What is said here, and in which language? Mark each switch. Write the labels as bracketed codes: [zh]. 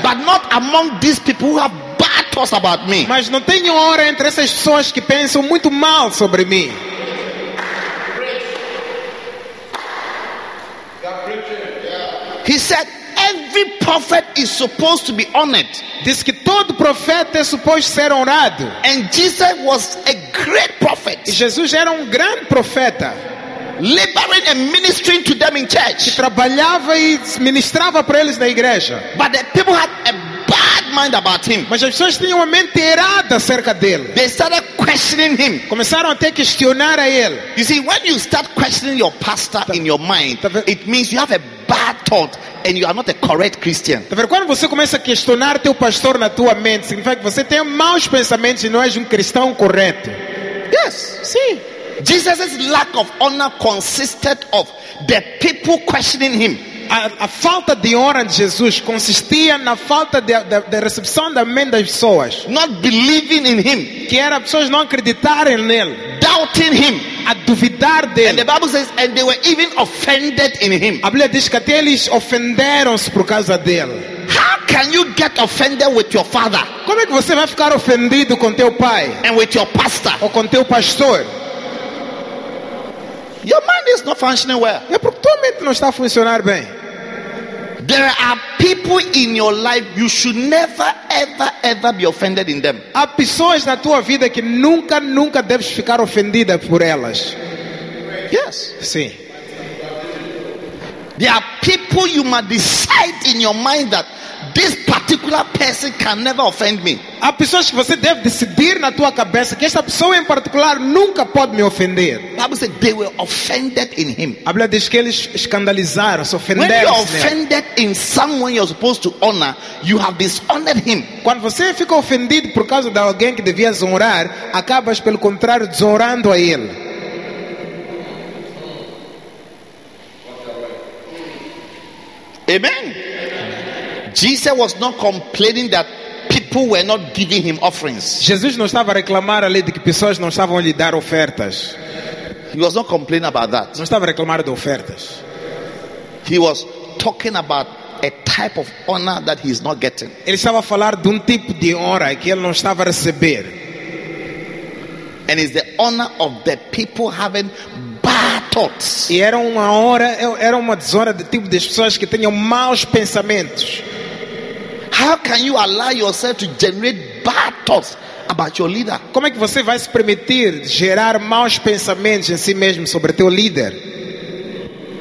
[en] But not among these people who have bad haters about me. [pt] Mas não tenho hora entre essas pessoas que pensam muito mal sobre mim. [en] He said every prophet is supposed to be honored. [pt] Diz que todo profeta é suposto ser honrado. [en] And Jesus was a great prophet. [pt] E Jesus era grande profeta. [en] Laboring and ministering to them in church. [pt] Que trabalhava e ministrava para eles na igreja. [en] But the people had a bad mind about him. [pt] Mas as pessoas tinham uma mente errada acerca dele. [en] They started questioning him. [pt] Começaram a ter questionar a ele. [en] You see, when you start questioning your pastor in your mind, it means you have a bad thought and you are not a correct Christian. [pt] Quando você começa a questionar teu pastor na tua mente, significa que você tem maus pensamentos e não és cristão correto. [en] Yes. [pt] Sim. [en] Jesus' lack of honor consisted of the people questioning him. [pt] A falta de honra de Jesus consistia na falta de recepção da mente das pessoas. [en] Not believing in him. [pt] Que era pessoas não acreditarem nele. [en] Doubting him. [pt] A duvidar dele. [en] And the Bible says, and they were even offended in him. [pt] A Bíblia diz que até eles ofenderam-se por causa dele. [en] How can you get offended with your father? [pt] Como é que você vai ficar ofendido com teu pai? [en] And with your pastor? [pt] Ou com teu pastor? [en] Your mind is not functioning well. [pt] É porque tua mente não está a funcionar bem. [en] There are people in your life you should never, ever, ever be offended in them. [pt] Há pessoas na tua vida que nunca, nunca deves ficar ofendida por elas. [en] Yes. [pt] Sim. [en] There are people you must decide in your mind that this particular person can never offend me. [pt] Há pessoas que você deve decidir na tua cabeça que esta pessoa em particular nunca pode me ofender. [en] Bible says they were offended in him. [pt] A Bíblia diz que eles escandalizaram-se, ofenderam-se. [en] When you offended in someone you're supposed to honor, you have dishonored him. [pt] Quando você fica ofendido por causa de alguém que devias honrar, acabas pelo contrário desonrando a ele. [en] Amen. Jesus was not complaining that people were not giving him offerings. [pt] Jesus não estava a reclamar ali de que pessoas não estavam a lhe dar ofertas. [en] He was not complaining about that. [pt] Não estava a reclamar de ofertas. [en] He was talking about a type of honor that he is not getting. [pt] Ele estava a falar de tipo de honra que ele não estava a receber. [en] And it's the honor of the people having bad thoughts. [pt] E era uma desonra do tipo de pessoas que tinham maus pensamentos. [en] How can you allow yourself to generate bad thoughts about your leader? [pt] Como é que você vai se permitir gerar maus pensamentos em si mesmo sobre teu líder?